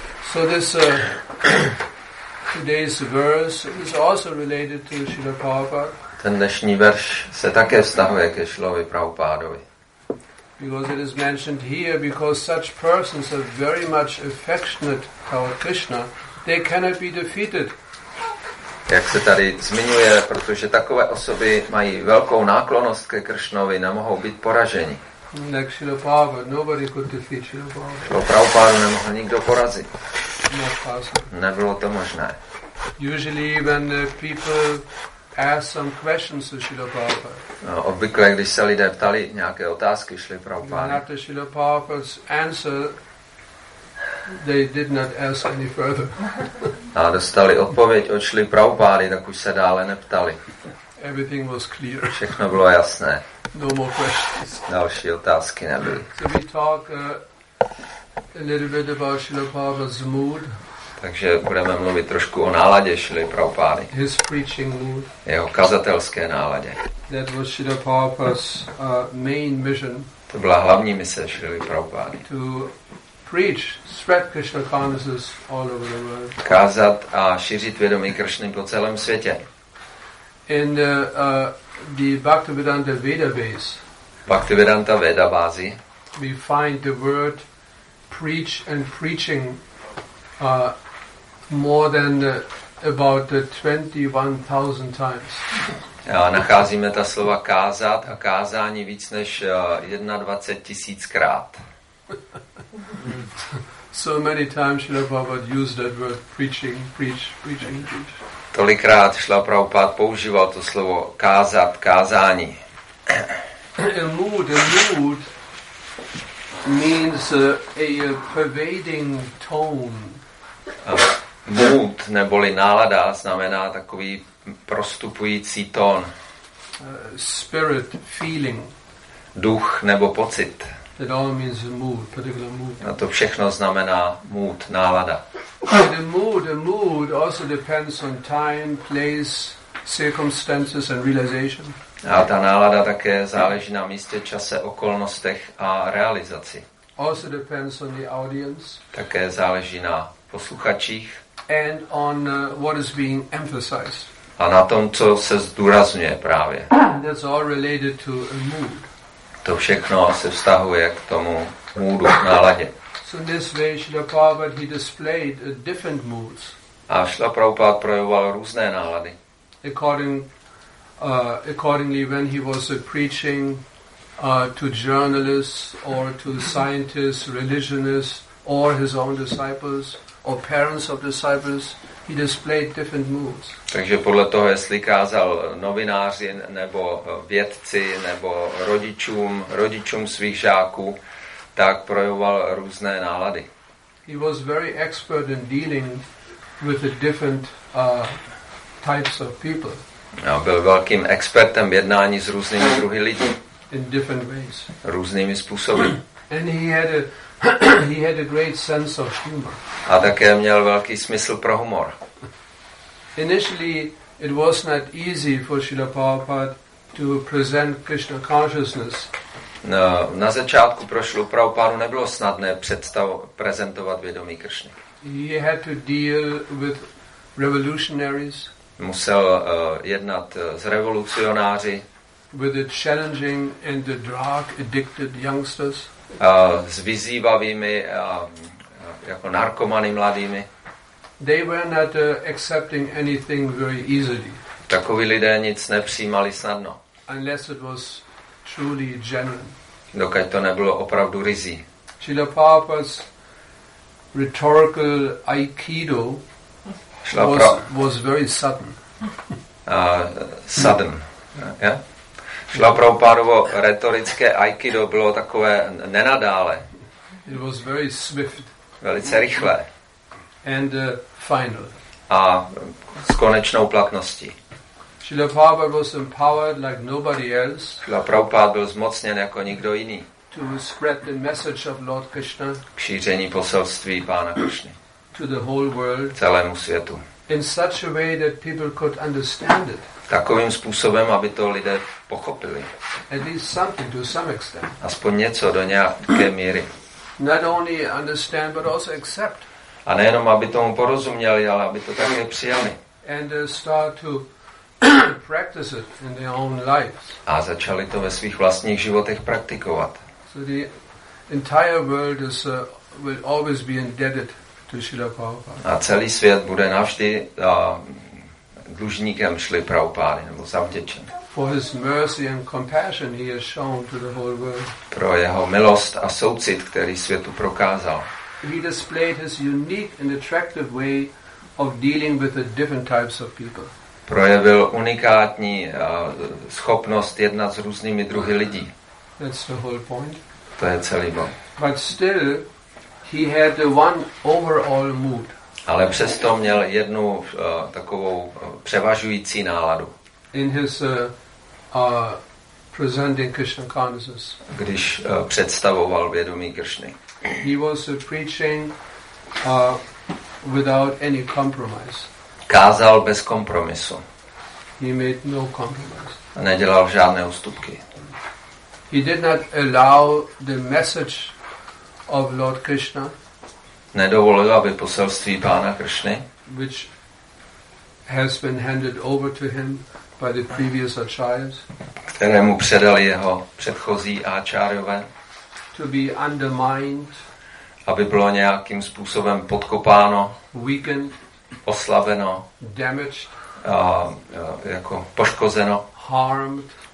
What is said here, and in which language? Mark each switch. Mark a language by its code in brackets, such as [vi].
[en] So this today's verse is also related to Srila Prabhupada. [cs] Ten dnešní verš se také vztahuje ke Šilovi Prabhupádovi. [en] Because it is mentioned here, because such persons are very much affectionate toward Krishna, they cannot be defeated. [cs] Jak se tady zmiňuje, protože takové osoby mají velkou náklonost ke Kršnovi, nemohou být poraženi. [en] Like Srila Prabhupada, nobody could defeat Srila Prabhupada. [cs] Šilo Prabhupádu nemohl nikdo porazit. Nebylo to možné. [en] Usually when people ask some questions to Srila Prabhupada. [cs] No, obvykle, když se lidé ptali nějaké otázky, šli Prabhupada. [en] And after Srila Prabhupada's answer, they did not ask any further. [cs] A dostali odpověď od Srila Prabhupady, tak už se dále neptali. [en] Everything was clear. [cs] Všechno bylo jasné. [en] No more questions. [cs] Další otázky nebyly. [en] So we talk a little bit about Srila Prabhupada's mood. [cs] Takže budeme mluvit trošku o náladě Srila Prabhupady. [en] His preaching mood. [cs] Jeho kazatelské náladě. [en] That was Srila Prabhupada's main mission. [cs] To byla hlavní mise Srila Prabhupady. [en] To preach, spread Krishna consciousness all over the world. [cs] Kázat a šířit vědomí Kršny po celém světě. [en] In the Bhaktivedanta Veda base. [cs] Bhaktivedanta Veda bázi. [en] We find the word preach and preaching more than about 21,000 times. [cs] A nacházíme ta slova kázat a kázání víc než 21,000 krát. [en] So many times Srila Prabhupada used that word preaching, preach, preaching, preach. [cs] Tolikrát Srila Prabhupada používal to slovo kázat, kázání. [en] A mood means a pervading tone. [cs] Mood neboli nálada znamená takový prostupující tón. [en] Spirit, feeling. [cs] Duch nebo pocit. [en] That all means mood, particular mood. [cs] A to všechno znamená mood, nálada. [en] The mood also depends on time, place, circumstances and realization. [cs] A ta nálada také záleží na místě, čase, okolnostech a realizaci. [en] Also depends on the audience. [cs] Také záleží na posluchačích. [en] And on what is being emphasized. [cs] A na tom, co se zdůrazňuje právě. [en] That's all related to a mood. [cs] To všechno se vztahuje k tomu moodu, k náladě. [en] So in this way, Srila Prabhupada, he displayed different moods. [cs] A Srila Prabhupada projevoval různé nálady. [en] Accordingly, when he was preaching to journalists or to scientists, religionists or his own disciples or parents of disciples, he displayed different moods. [cs] Takže podle toho, jestli kázal novináři nebo vědci nebo rodičům svých žáků, tak projevoval různé nálady. [en] He was very expert in dealing with the different types of people. [cs] A byl velkým expertem v jednání s různými druhy lidí. [en] In different ways. [cs] Různými způsoby. [en] And he had a great sense of humor. [cs] A také měl velký smysl pro humor. [en] Initially, it was not easy for Srila Prabhupada to present Krishna consciousness. [cs] No, na začátku pro Srila Prabhupada nebylo snadné prezentovat vědomí Kršny. [en] He had to deal with revolutionaries. [cs] Musel jednat s revolucionáři. [en] With the challenging and the drug addicted youngsters. [cs] s vyzývavými jako narkomany mladými. [en] They were not accepting anything very easily. [cs] Takoví lidé nic nepřijímali snadno. [en] Unless it was truly genuine. [cs] Dokud to nebylo opravdu ryzí. [en] Srila Prabhupada's rhetorical aikido was very sudden. Sudden. [cs] Srila Prabhupádovo retorické aikido bylo takové nenadále. [en] It was very swift. [cs] Velice rychlé. [en] And final. [cs] A s konečnou platností. [en] Srila Prabhupada was empowered like nobody else. [cs] Srila Prabhupada byl zmocněn jako nikdo jiný. [en] To spread the message of Lord Krishna. [cs] K šíření poselství Pána Krishny. [en] To the whole world. [cs] Celému světu. [en] In such a way that people could understand it. [cs] Takovým způsobem, aby to lidé pochopili. [en] At least something to some extent. [cs] Aspoň něco do nějaké míry. [en] Not only understand but also accept. [cs] A nejenom aby tomu porozuměli, ale aby to také přijali. [en] And start to practice it in their own lives. [cs] A začali to ve svých vlastních životech praktikovat. [en] So the entire world is will always be indebted to Srila Prabhupada. [cs] A celý svět bude navždy dlužníkem Srily Prabhupády nebo zavděčen. [en] For his mercy and compassion he has shown to the whole world. [cs] Pro jeho milost a soucit, který světu prokázal. [en] He displayed his unique and attractive way of dealing with the different types of people. [cs] Projevil unikátní schopnost jednat s různými druhy lidí. [en] That's the whole point. [cs] To je celý bod. [en] But still, he had one overall mood. [cs] Ale přesto měl jednu takovou převažující náladu. [en] In his presenting Krishna consciousness. [cs] Když představoval vědomí Kršny. [en] He was preaching without any compromise. [cs] Kázal bez kompromisu. [en] He made no compromise. [cs] A nedělal žádné ústupky. [en] He did not allow the message of Lord Krishna. [cs] Nedovolil, aby poselství Pána Kršny, [en] which has been handed over to him by the previous acharyas, [cs] které mu předali jeho předchozí acharyové, [en] to be undermined, [cs] aby bylo nějakým způsobem podkopáno, [en] weakened, [cs] oslabeno, [en] damaged, [cs] jako poškozeno, [en] harmed,